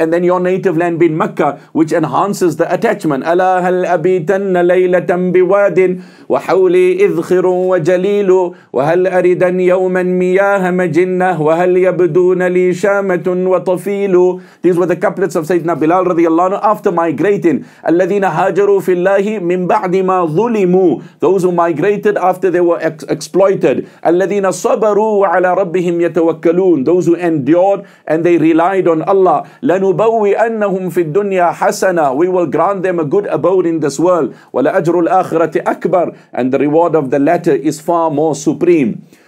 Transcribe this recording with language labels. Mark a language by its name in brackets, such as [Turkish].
[English] And then your native land being Mecca, which enhances the attachment. [Arabic] أَلَا هَلْ أَبِيتَنَّ لَيْلَةً بِوَادٍ وَحَوْلِي إِذْخِرٌ وَجَلِيلُ وَهَلْ أَرِدًا يَوْمًا مِيَاهَ مَجِنَّهُ وَهَلْ يَبْدُونَ لِي شَامَةٌ وَطَفِيلُ. [English] These were the couplets of Sayyidina Bilal radiallahu anhu after migrating. [Arabic] أَلَّذِينَ هَاجَرُوا فِي اللَّهِ مِنْ بَعْدِ مَا ظُلِمُوا, [English] those who migrated after they were exploited. [Arabic] أَلَّذِينَ صَبَرُوا عَلَى رَبِّهِمْ يَتَوَكَّلُونَ, [English] those who endured and they relied on Allah. [Arabic] لَنُبَوِّئَنَّهُمْ فِي الدُّنْيَا حَسَنًا, [English] we will grant them a good abode in this world. [Arabic] وَلَأَجْرُ الْآخِرَةِ أَكْبَرُ, [English] and the reward of the latter is far more supreme.